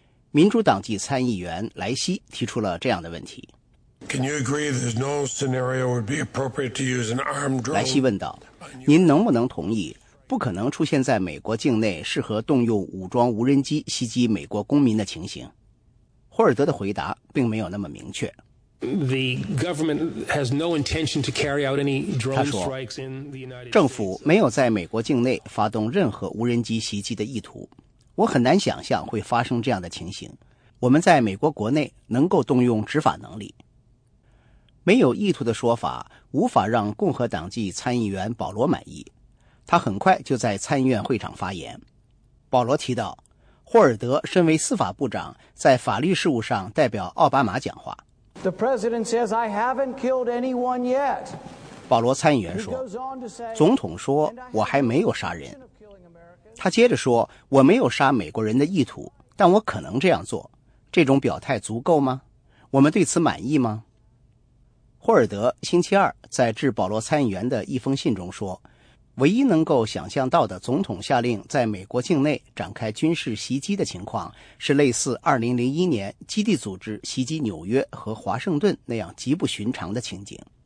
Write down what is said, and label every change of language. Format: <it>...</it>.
<zh>民主党籍参议员莱西提出了这样的问题。莱西问道，您能不能同意不可能出现在美国境内适合动用武装无人机袭击美国公民的情形？霍尔德的回答并没有那么明确。</zh> <en>The government has no intention to carry out any drone strikes in the United States.</en> <zh>政府没有在美国境内发动任何无人机袭击的意图。我很难想象会发生这样的情形。我们在美国国内能够动用执法能力。没有意图的说法无法让共和党籍参议员保罗满意。他很快就在参议院会场发言。保罗提到，霍尔德身为司法部长，在法律事务上代表奥巴马讲话。</zh> <en>The president says, I haven't killed anyone yet.</en> <zh>保罗参议员说，总统说我还没有杀人。他接着说，我没有杀美国人的意图，但我可能这样做。这种表态足够吗？我们对此满意吗？霍尔德星期二在致保罗参议员的一封信中说，唯一能够想象到的总统下令在美国境内展开军事袭击的情况是类似2001年基地组织袭击纽约和华盛顿那样极不寻常的情景。</zh>